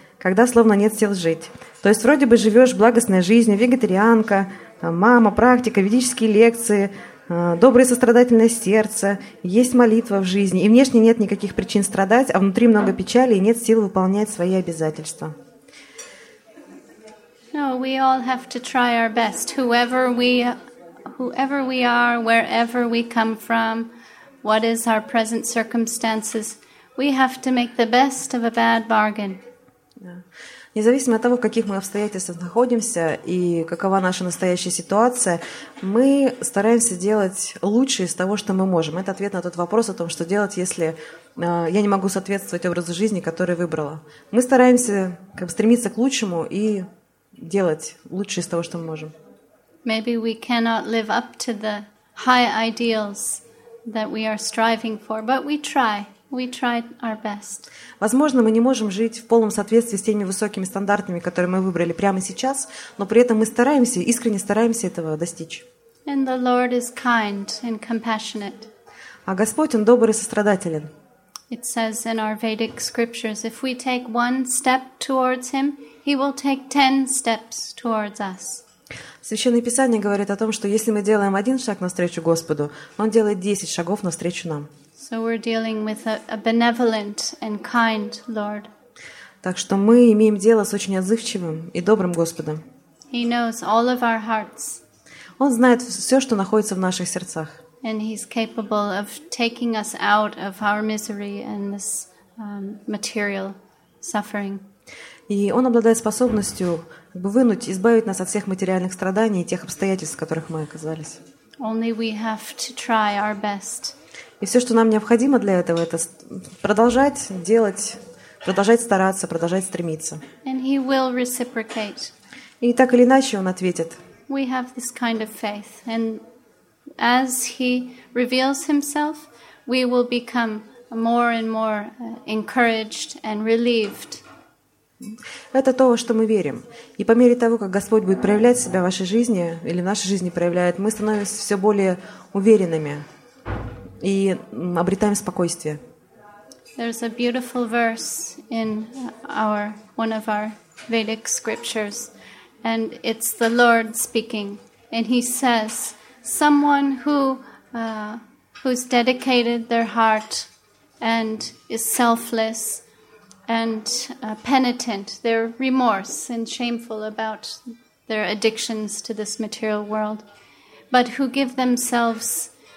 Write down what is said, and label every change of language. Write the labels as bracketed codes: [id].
[ru] Когда словно нет сил жить. То есть вроде бы живешь благостной жизнью, вегетарианка, мама, практика, ведические лекции, доброе сострадательное сердце, есть молитва в жизни, и внешне нет никаких причин страдать, а внутри много печали, и нет сил выполнять свои обязательства. [en] No, we all have to try our best. Whoever we are, wherever we come from, what is our present circumstances, we have to make the best of a bad bargain. [ru] Независимо от того, в каких мы обстоятельствах находимся и какова наша настоящая ситуация, мы стараемся делать лучшее из того, что мы можем. Это ответ на тот вопрос о том, что делать, если я не могу соответствовать образу жизни, который выбрала. Мы стараемся как бы, стремиться к лучшему и делать лучшее из того, что мы можем. [en] Maybe we cannot live up to the high ideals that we are striving for, but we try. We try our best. [ru] Возможно, мы не можем жить в полном соответствии с теми высокими стандартами, которые мы выбрали прямо сейчас, но при этом мы стараемся, искренне стараемся этого достичь. [en] And the Lord is kind and compassionate. [ru] А Господь, Он добрый и сострадателен. [en] It says in our Vedic scriptures, if we take one step towards Him, He will take 10 steps towards us. [ru] Священное Писание говорит о том, что если мы делаем один шаг навстречу Господу, Он делает 10 шагов навстречу нам. [en] So we're dealing with a benevolent and kind Lord. [ru] Так что мы имеем дело с очень отзывчивым и добрым Господом. [en] He knows all of our hearts. [ru] Он знает все, что находится в наших сердцах. [en] And He's capable of taking us out of our misery and this material suffering. [ru] И Он обладает способностью как бы вынуть, избавить нас от всех материальных страданий и тех обстоятельств, в которых мы оказались. [en] Only we have to try our best. [ru] И все, что нам необходимо для этого, это продолжать делать, продолжать стараться, продолжать стремиться. [en] And He will reciprocate. [ru] И так или иначе Он ответит. [en] We have this kind of faith, and as He reveals Himself, we will become more and more encouraged and relieved. [ru] Это то, во что мы верим. И по мере того, как Господь будет проявлять себя в вашей жизни или в нашей жизни проявляет, мы становимся все более уверенными и обретаем спокойствие. [en] There's a beautiful verse in one of our Vedic scriptures, and it's the Lord speaking, and He says, someone who's dedicated their heart and is selfless and penitent, their remorse and shameful about their addictions to this material world, but who give themselves